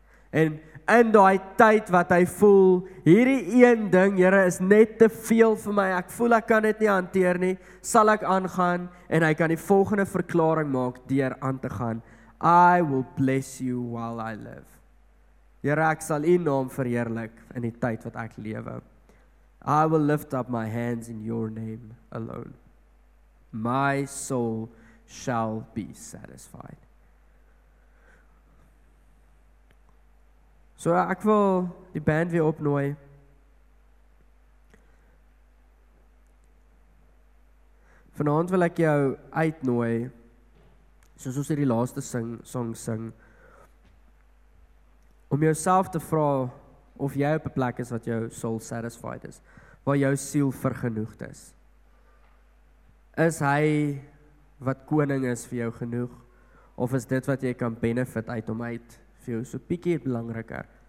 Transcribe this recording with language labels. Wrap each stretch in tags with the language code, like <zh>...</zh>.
<af>En in daai tyd wat hy voel, hierdie een ding, Here, is net te veel vir my. Ek voel ek kan dit nie hanteer nie. Sal ek aangaan en hy kan die volgende verklaring maak deur aan te gaan.</af> <en>I will bless you while I live.</en> <af>Here, ek sal U naam verheerlik in die tyd wat ek lewe.</af> <en>I will lift up my hands in your name alone. My soul shall be satisfied.</en> <af>So ek wil die band weer opnooi. Vanaand wil ek jou uitnooi, soos ons hierdie laaste song sing, om jouself te vra of jy op 'n plek is wat jou</af> <en>soul satisfied</en> <af>is. Waar jou siel vergenoegd is. Is hy wat koning is vir jou genoeg? Of is dit wat jy kan benefit uit om uit vir jou so piekie belangriker?</af>